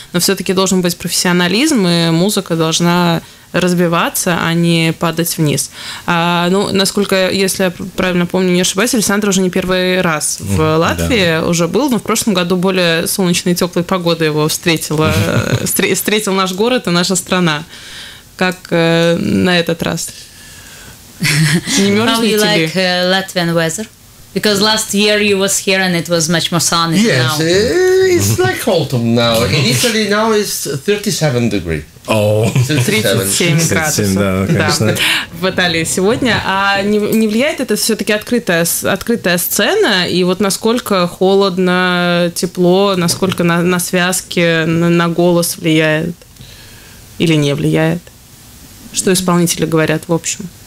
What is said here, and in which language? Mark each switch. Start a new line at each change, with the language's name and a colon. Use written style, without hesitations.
Russian: Но все-таки должен быть профессионализм, и музыка должна развиваться, а не падать вниз. А, ну, насколько, если я правильно помню, не ошибаюсь, Александр уже не первый раз в Латвии уже был, но в прошлом году более солнечной и теплой погоды его встретил наш город и наша страна. Как на этот раз? Не мерзли тебе?
English: How you like Latvian weather? Because last year you was here and it was much more sunny. Yes, it's like autumn now. In Italy now it's 37 degrees. Oh.
Russian: 37 градусов. Да, конечно. Да. В Италии сегодня. А не влияет это все-таки открытая сцена? И вот насколько холодно, тепло, насколько на связки, на голос влияет? Или не влияет? Что исполнители говорят в общем?